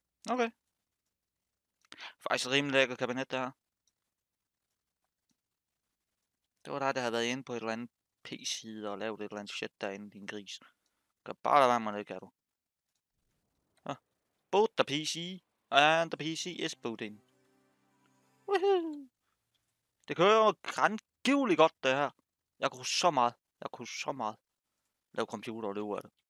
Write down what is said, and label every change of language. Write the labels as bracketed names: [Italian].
[Danish] Okay. Faktisk et rimelig lækker kabinet, det her. Det var dig, der havde været inde på et eller andet PC-side og lavet et eller andet shit derinde, din gris. Gør bare lade være med det, kan du. [English] Boot the PC, and the PC is booting. Woohoo! [Danish] Det kører jo grandgiveligt godt, det her. Jeg kunne så meget lave computer og løbe af det.